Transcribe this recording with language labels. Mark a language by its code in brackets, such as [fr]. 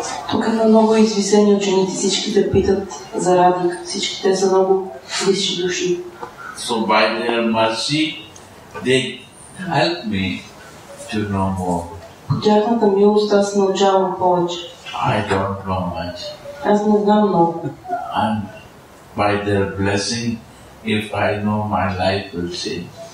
[bg] Тук има много извисени ученици, всички те питат за Радик, всички те са много висши души. [en] So by their mercy, they help me to know more. [bg] По тяхната милост аз научавам повече. [en] I don't know much. [bg] Аз не знам много. [en] And by their blessing, if I know, my life will change.